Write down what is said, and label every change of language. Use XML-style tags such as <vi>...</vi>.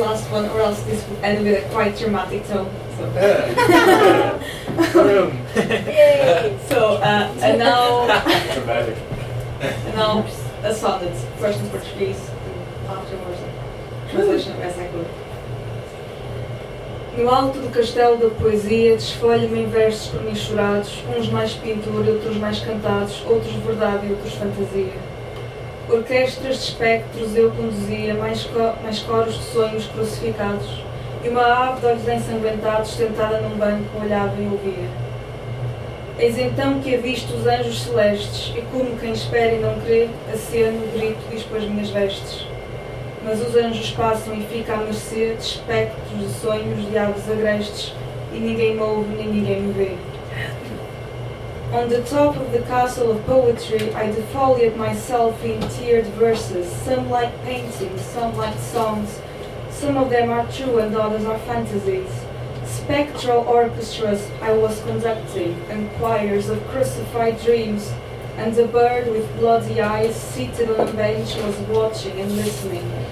<en>One, or else this would end with a quite dramatic tone. So, and now dramatic. And now a song that's first in Portuguese and afterwards translation of essay book.</en> <pt>No alto do castelo da poesia, desfolho-me em versos comichurados, uns mais pintura, outros mais cantados, outros verdade e outros fantasia. Orquestras de espectros eu conduzia, mais coros de sonhos crucificados, e uma ave de olhos ensanguentados, sentada num banco, olhava e ouvia. Eis então que avisto os anjos celestes, e como quem espera e não crê, aceno, grito, dispo as minhas vestes. Mas os anjos passam e fica à mercê de espectros de sonhos de aves agrestes, e ninguém me ouve nem ninguém me vê.</pt> <en>On the top of the castle of poetry, I defoliate myself in tiered verses, some like paintings, some like songs. Some of them are true and others are fantasies. Spectral orchestras I was conducting, and choirs of crucified dreams, and a bird with bloody eyes seated on a bench was watching and listening.</en>